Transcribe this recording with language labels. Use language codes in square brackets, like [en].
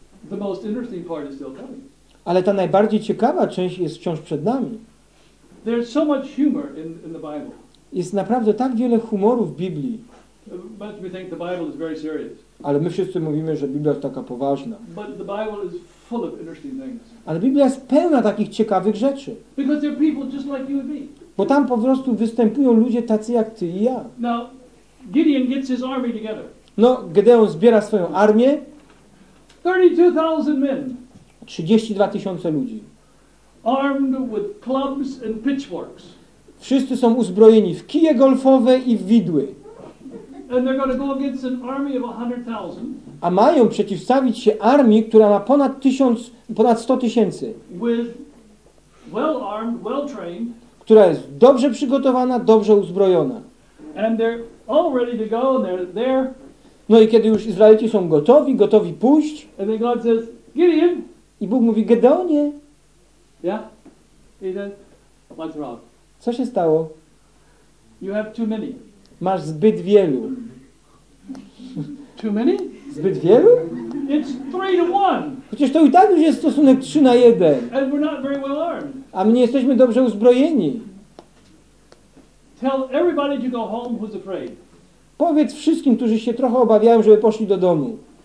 [en] The most interesting part is still coming. [pl] Ale ta najbardziej ciekawa część jest wciąż przed nami. [en] There's so much humor in the Bible. [pl] Jest naprawdę tak wiele humoru w Biblii. [en] But we think the Bible is very serious. [pl] Ale my wszyscy mówimy, że Biblia jest taka poważna. [en] But the Bible is full of interesting things. [pl] Ale Biblia jest pełna takich ciekawych rzeczy. [en] Because there are people just like you and me. [pl] Bo tam po prostu występują ludzie tacy jak ty i ja. [en] Now, Gideon gets his army together. [pl] No, Gedeon zbiera swoją armię. [en] 32,000 men. [pl] 32 tysiące ludzi. [en] Armed with clubs and pitchforks. [pl] Wszyscy są uzbrojeni w kije golfowe i w widły. [en] And they're going to go against an army of 100,000. [pl] A mają przeciwstawić się armii, która ma ponad 100 tysięcy. [en] With well armed, well trained. [pl] Która jest dobrze przygotowana, dobrze uzbrojona. [en] And they're all ready to go, and they're there. [pl] No i kiedy już Izraelici są gotowi, gotowi pójść. [en] And then God says, Gideon. [pl] I Bóg mówi, Gedeonie. [en] Yeah. He said, what's wrong? [pl] Co się stało? [en] You have too many. [pl] Masz zbyt wielu. [en] Too many? [pl] Zbyt wielu? [en] It's 3-1. [pl] Chociaż to i tak już jest stosunek 3-1. [en] And we're not very well armed. [pl] A my nie jesteśmy dobrze uzbrojeni. [en] Tell everybody to go home who's afraid. [pl] Powiedz wszystkim, którzy się trochę obawiają, żeby poszli do domu.